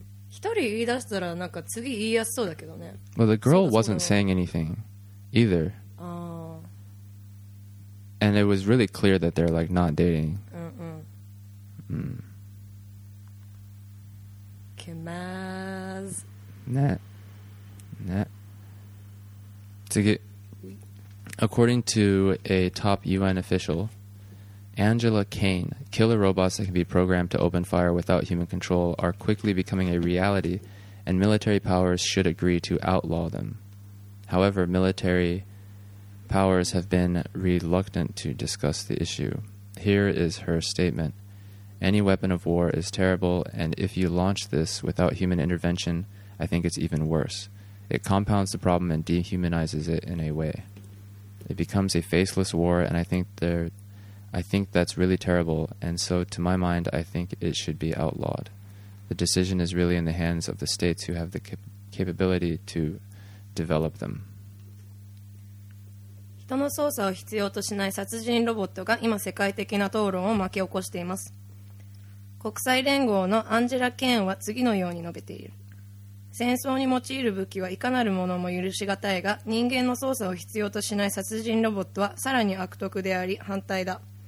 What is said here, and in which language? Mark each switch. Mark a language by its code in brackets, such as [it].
[ja] 一人言い出したらなんか次言いやすそうだけどね。 [en] Well, the girl wasn't saying anything either. Oh. And it was really clear that they're like not dating. [ja] Kimaz. ね。次。 [en] According to a top UN official, Angela Kane, killer robots that can be programmed to open fire without human control are quickly becoming a reality, and military powers should agree to outlaw them. However, military powers have been reluctant to discuss the issue. Here is her statement. Any weapon of war is terrible, and if you launch this without human intervention, I think it's even worse. It compounds the problem and dehumanizes it in a way. It becomes a faceless war, and I think that's really terrible, and so to my mind, I think it should be outlawed. The decision is really in the hands of the states who have the capability to develop them. [ja] 人の操作を必要としない殺人ロボットが今世界的な討論を巻き起こしています。国際連合のアンジェラ・ケーンは次のように述べている。戦争に用いる武器はいかなるものも許しがたいが、人間の操作を必要としない殺人ロボットはさらに悪徳であり反対だ。